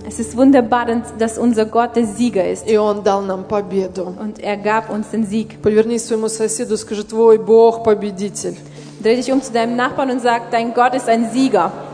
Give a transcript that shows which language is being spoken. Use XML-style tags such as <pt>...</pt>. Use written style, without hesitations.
<de>Es ist wunderbar, dass unser Gott der Sieger ist.</de> <ru>И Он дал нам победу.</ru> <de>Und er gab uns den Sieg.</de> <ru>Повернись своему соседу, скажи, твой Бог победитель.</ru> <de>Dreh dich zu deinem Nachbarn und sag, dein Gott ist ein Sieger.</de>